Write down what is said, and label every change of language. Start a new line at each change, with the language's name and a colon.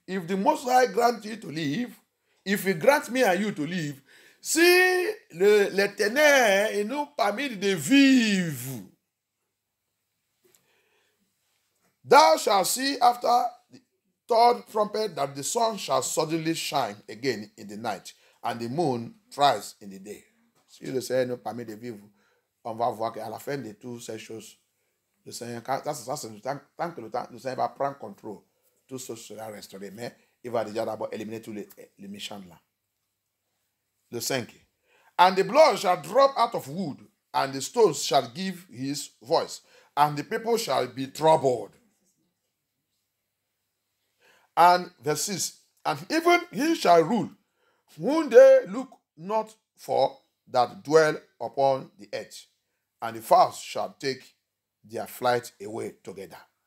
English: If the Most High grant thee to live, if he grant me and you to live,
French: si l'Éternel nous permet de vivre,
English: thou shalt see after the third trumpet that the sun shall suddenly shine again in the night. And the moon thrice in the day.
French: Si le Seigneur nous permet de vivre, on va voir qu'à la fin de toutes ces choses, le Seigneur, tant que le temps, le Seigneur va prendre contrôle, tout ce sera restauré. Mais il va déjà d'abord éliminer tous les méchants là. Le 5.
English: And the blood shall drop out of wood, and the stones shall give his voice, and the people shall be troubled. And verse 6. And even he shall rule. When they look not for that dwell upon the earth, and the fowls shall take their flight away together.